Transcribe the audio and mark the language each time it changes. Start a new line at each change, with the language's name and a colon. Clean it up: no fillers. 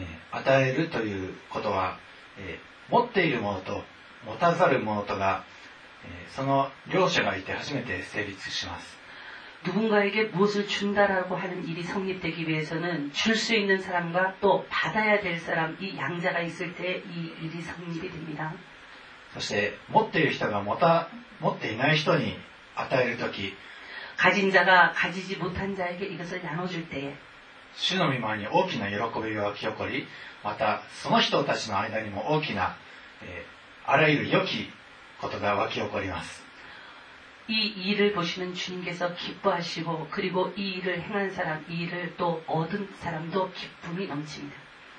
Japanese: 与えるということは、持っているものと持たざるものとが、その両者がいて初めて成立します。
Korean: 누군가에게무엇을준다라고하는일이성립되기위해서는줄수있는사람과또받아야될사람이양자가있을때이일이성립이됩니다。
Japanese: そして持っている人が持っていない人に与えるとき、
Korean: 가진자가가지지못한자에게이것을나눠줄때에
Japanese: 主の御前に大きな喜びが起こり、またその人たちの間にも大きな、あらゆる良きことが湧き起こります。
Korean: 이일을보시는주님께서기뻐하시고그리고이일을행한사람이일을또얻은사람도기쁨이넘칩니다。